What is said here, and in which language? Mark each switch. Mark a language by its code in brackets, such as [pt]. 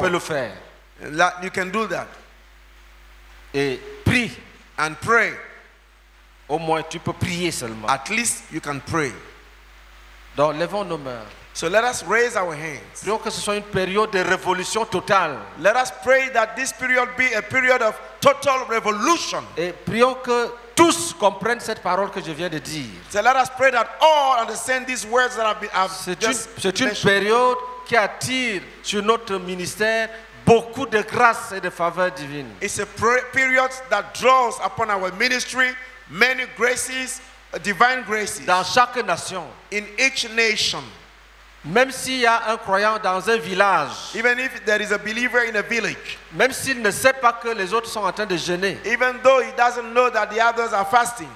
[fr] Peux le faire. [en] That you can do that. [fr] Et prie [en] and pray. [fr] Au moins tu peux prier seulement. [en] At least you can pray. [fr] Donc levons nos mains. [en] So let us raise our hands. [fr] Prions que ce soit une période de révolution totale. [en] Let us pray that this period be a period of total revolution. [fr] Et prions que tous comprennent cette parole que je viens de dire. [en] So let us pray that all understand these words that I've [fr] c'est [en] just [fr] une, c'est une période qui attire sur notre ministère beaucoup de grâce et de faveur divine. [en] It's a period that draws upon our ministry many graces, divine graces. [fr] Dans chaque nation. [en] In each nation. [fr] Même s'il y a un croyant dans un village, [en] even if there is a believer in a village, [fr] même s'il ne sait pas que les autres sont en train de jeûner, [en] even though he doesn't know that the others are fasting,